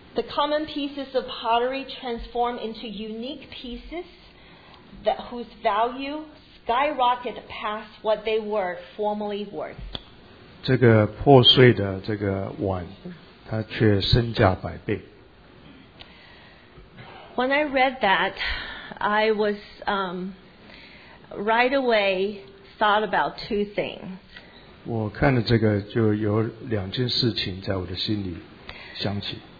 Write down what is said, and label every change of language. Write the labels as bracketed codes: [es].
[en] The common pieces of pottery transform into unique pieces that whose value skyrocket past what they were formerly worth. [zh] 这个破碎的这个碗，它却身价百倍。 [en] When I read that, I was right away thought about two things. [zh] 我看了这个，就有两件事情在我的心里想起。